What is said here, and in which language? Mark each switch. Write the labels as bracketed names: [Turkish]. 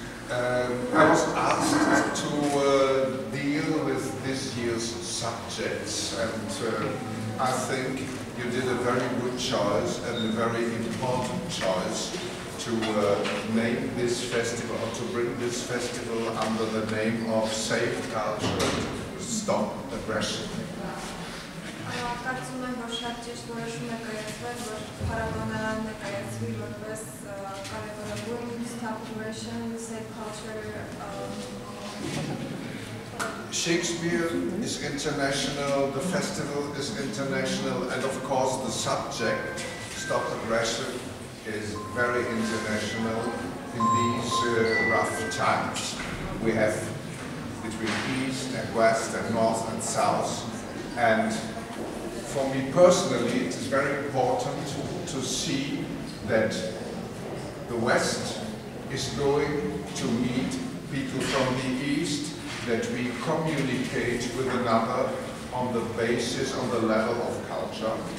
[English] I was asked to deal with this year's subjects, and I think you did a very good choice and a very important choice to name this festival, or to bring this festival under the name of Safe Culture and Stop Aggression. [Armenian] Կարծում եմ, որ շատ ճիշտ որոշում է կայացվել, որ փառատոնը ներկայացվի որպես կարևորագույն Stop Aggression, Safe Culture. [English] Shakespeare is international, the festival is international, and of course the subject, Stop Aggression, is very international in these rough times. We have between East and West and North and South, and for me personally, it is very important to see that the West is going to meet people from the East, that we communicate with another on the basis, on the level of culture.